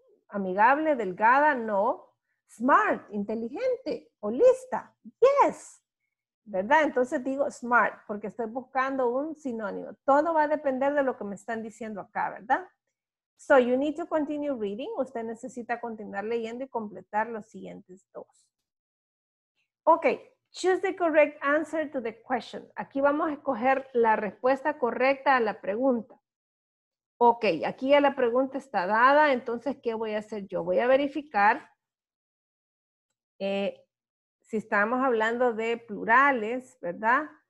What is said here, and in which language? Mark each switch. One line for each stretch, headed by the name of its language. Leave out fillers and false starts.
Spanish: Amigable, delgada, no. Smart, inteligente o lista, yes. ¿Verdad? Entonces digo smart porque estoy buscando un sinónimo. Todo va a depender de lo que me están diciendo acá, ¿verdad?
English: So you need to continue reading.
Spanish: Usted necesita continuar leyendo y completar los siguientes dos.
English: Ok, choose the correct answer to the question.
Spanish: Aquí vamos a escoger la respuesta correcta a la pregunta. Ok, aquí ya la pregunta está dada, entonces, ¿qué voy a hacer yo? Voy a verificar si estamos hablando de plurales, ¿verdad?